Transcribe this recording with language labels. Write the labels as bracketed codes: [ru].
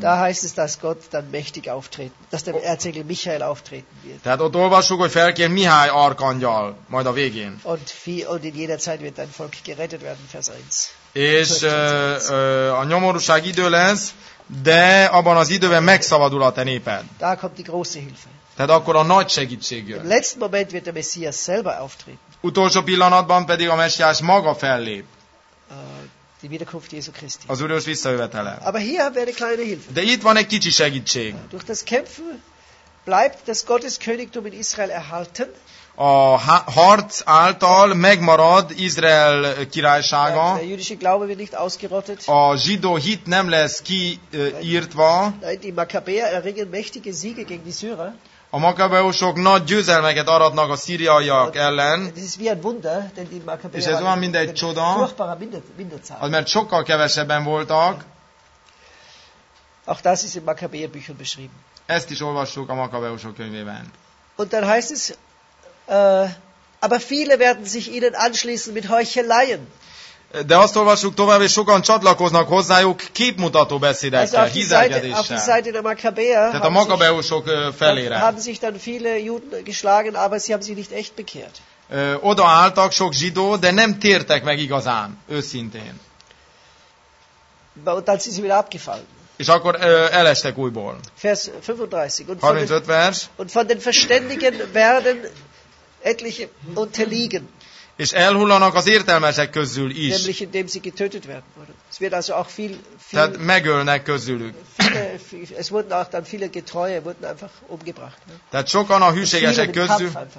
[de] Da heißt es, dass Gott dann mächtig auftreten, dass der Erzengel Michael auftreten wird. [hu] Tehát ott olvasunk, hogy felkér Mihály arkangyal majd a végén. [de] Und in jeder Zeit wird dein Volk gerettet werden, Vers 1. [hu] És a nyomorúság idő lesz, de abban az időben megszabadul a te néped. [de] Da kommt die große Hilfe. [hu] Tehát akkor a nagy segítség jön. [de] Im letzten Moment wird der Messias selber auftreten. [hu] Utolsó pillanatban pedig a Messiás maga fellép. [de] Die Wiederkunft Jesu Christi. [hu] Az Uriós visszajövetele. [de] Aber hier haben wir eine kleine Hilfe. [hu] De itt van egy kicsi segítség. [de] Durch das Kämpfen bleibt das Gotteskönigtum in Israel erhalten. [hu] A harc által megmarad Izrael királysága. [de] Der jüdische Glaube wird nicht ausgerottet. [hu] A zsidó hit nem lesz kiírtva. [de] Die Makkabäer erringen mächtige Siege gegen die Syrer. [hu] A makkabeusok nagy győzelmeket aratnak a szíriaiak ellen. És ez olyan, mint egy csoda, az, mert sokkal kevesebben voltak. [de] Auch das ist in Makkabäerbüchern beschrieben. [hu] Ezt is olvassuk a makkabeusok könyvében. [de] Und dann heißt es, aber viele werden sich ihnen anschließen mit Heucheleien. [hu] De azt olvassuk tovább, és sokan csatlakoznak hozzájuk képmutató beszédekkel, hízelgedéssel. Tehát a makkabeusok felére. [de] Haben sich dann viele Juden geschlagen, aber sie haben sich nicht echt bekehrt. [hu] Oda álltak sok zsidó, de nem tértek meg igazán, őszintén. [de] Und dann sind sie wieder abgefallen. [hu] És akkor elestek újból. [de] Vers 35. [hu] Und 35 vers. [de] Und von den Verständigen werden etliche unterliegen. [hu] És elhullanak az értelmesek közül is. [de] Nämlich indem sie getötet werden. Es wird also auch viel [hu] tehát megölnek közülük. [de] Es wurden auch dann viele Getreue wurden einfach umgebracht. [hu] Tehát sokan a hűségesek közül.